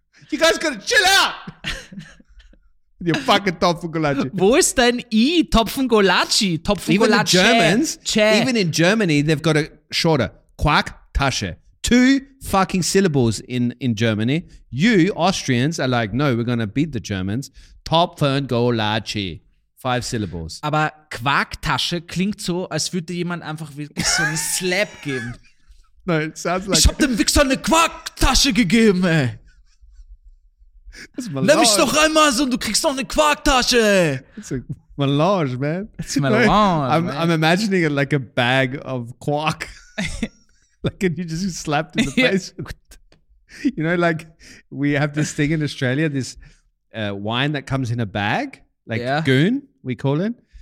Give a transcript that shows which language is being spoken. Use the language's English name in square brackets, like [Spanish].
[English] You guys gotta chill out. Your fucking Topfengolachi. [German] Wo ist dein I? Topfengolachi. Topfengolachi. [English] Even in Germany, they've got a shorter. Quarktasche. Two fucking syllables in Germany. You Austrians are like, no, we're going to beat the Germans. Topfengolachi. Five syllables. [German] Aber Quarktasche klingt so, als würde jemand einfach wirklich so einen Slap geben. [English] No, it sounds like... [German] Ich hab dem Wichser eine Quarktasche gegeben, ey. [English] That's Melange. [German] Nimm mich doch einmal so und du kriegst noch eine Quarktasche. [English] It's a Melange, man. It's Melange. I'm imagining it like a bag of quark. Like, and you just slapped in the face. You know, like, we have this thing in Australia, this wine that comes in a bag, like goon, we call it.